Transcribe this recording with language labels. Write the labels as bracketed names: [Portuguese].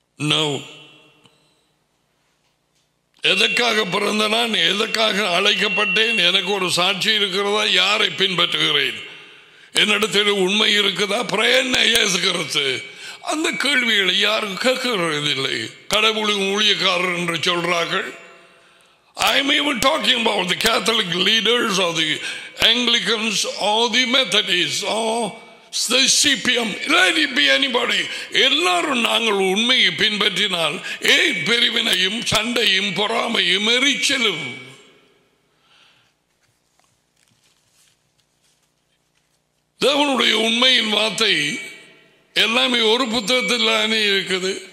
[Tamil] No, எதற்காக பிறந்த நான், எதற்காக அழைக்கப்பட்டேன், எனக்கு ஒரு சாட்சி இருக்கிறதா, யாரை பின்பற்றுகிறேன், என்னிடத்தில் உண்மை இருக்குதா, பிரயாசிக்கிறது, அந்த கேள்விகளை யாரும் கேட்கிறதில்லை. கடவுளின் ஊழியக்காரர் என்று சொல்றார்கள். [English] I'm even talking about the Catholic leaders or the Anglicans or the Methodists or the CPM. Let it be anybody. [Tamil] எல்லாரும் நாங்கள் உண்மையை பின்பற்றினால் ஏ பிரிவினையும் சண்டையும் பொறாமையும் எரிச்சலும். தேவனுடைய உண்மையின் வார்த்தை எல்லாமே ஒரு புத்தகத்தில் இருக்குது.